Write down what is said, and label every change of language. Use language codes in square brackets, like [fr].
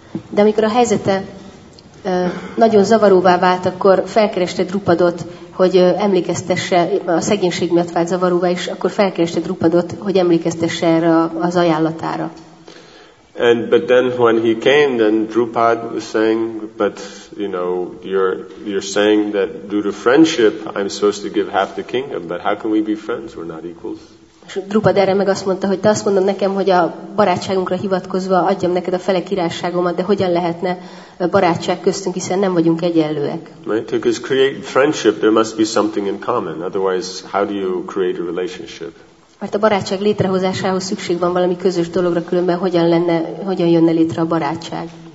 [hu] De amikor a helyzete nagyon zavaróvá vált, akkor felkereste Drupadot, hogy emlékeztesse, a szegénység miatt vált zavaróvá is, akkor felkereste Drupadot, hogy emlékeztesse erre az ajánlatára. [en] And but then when he came, then Drupad was saying, but you know, you're saying that due to friendship, I'm supposed to give half the kingdom, but how can we be friends? We're not equals. [hu] Drupad erre meg azt mondta, hogy te azt mondod nekem, hogy a barátságunkra hivatkozva adjam neked a fele királyságomat, de hogyan lehetne barátság köztünk, hiszen nem vagyunk egyenlőek. [en] Right, because create friendship, there must be something in common. Otherwise, how do you create a relationship? [hu] Mert a barátság létrehozásához szükség van valami közös dologra, különben hogyan lenne, hogyan jönne létre a barátság?